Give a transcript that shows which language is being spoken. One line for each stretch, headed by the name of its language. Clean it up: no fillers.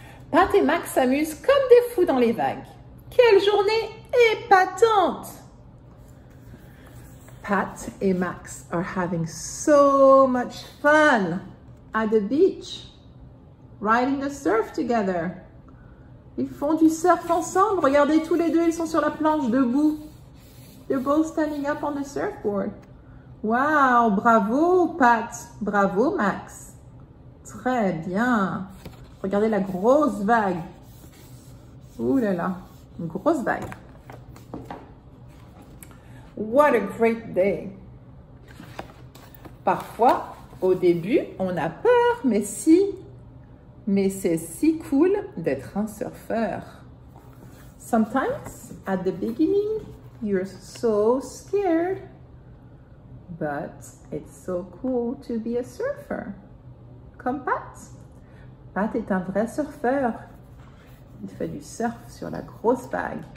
French: Pat et Max s'amusent comme des fous dans les vagues. Quelle journée épatante!
English: Pat et Max are having so much fun at the beach, riding the surf together.
French: Ils font du surf ensemble. Regardez, tous les deux, ils sont sur la planche, debout.
English: They're both standing up on the surfboard.
French: Wow, bravo Pat, bravo Max. Très bien. Regardez la grosse vague. Ouh là là, une grosse vague.
English: What a great day.
French: Parfois, au début, on a peur, mais c'est si cool d'être un surfeur.
English: Sometimes, at the beginning, you're so scared, but it's so cool to be a surfer.
French: Comme Pat. Pat est un vrai surfeur. Il fait du surf sur la grosse vague.